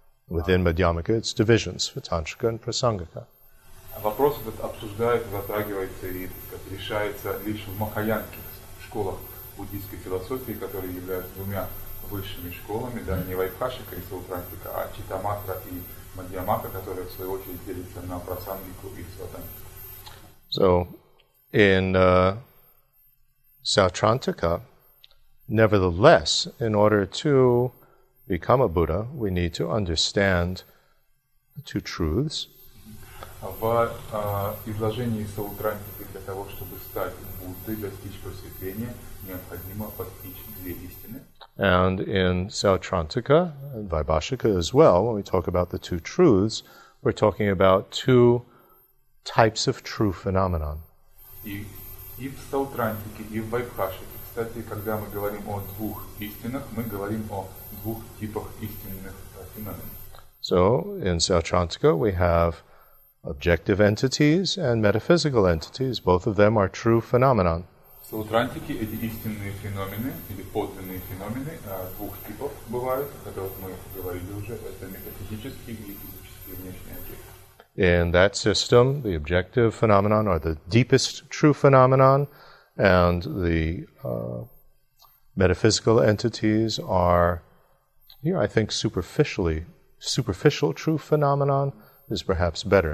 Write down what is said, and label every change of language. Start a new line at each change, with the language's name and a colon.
English: Within Madhyamaka, its divisions, Vatantrika and Prasangika.
Russian: Вопрос этот обсуждается, затрагивается и, так сказать, решается лишь в махаянских школах буддийской философии, которые являются двумя высшими школами, да, не вайпхашика и саутрантика, а читаматра и мадьямака, которые в свою очередь делятся на прасангику и саутрантику.
English: So, in саутрантика, nevertheless, in order to become a Buddha, we need to understand the two truths.
Russian: В изложении саутрантики для того, чтобы стать Буддой, достичь просветления, необходимо постичь две истины.
English: And in Sautrantika, and Vaibhashika as well, when we talk about the two truths, we're talking about two types of true phenomenon.
Russian: И в Саутрантике, и в Вайбхашике, кстати, когда мы говорим о двух истинах, мы говорим о двух типах истинных феноменов.
English: So, in Sautrantika, we have objective entities and metaphysical entities, both of them are true phenomena.
Russian: Саутрантики — это истинные феномены или подлинные феномены двух типов бывают, о которых мы говорили уже, это метафизические и физические внешние объекты.
English: In that system, the objective phenomenon are the deepest true phenomenon, and the metaphysical entities are, here I think, superficial true phenomenon is perhaps better.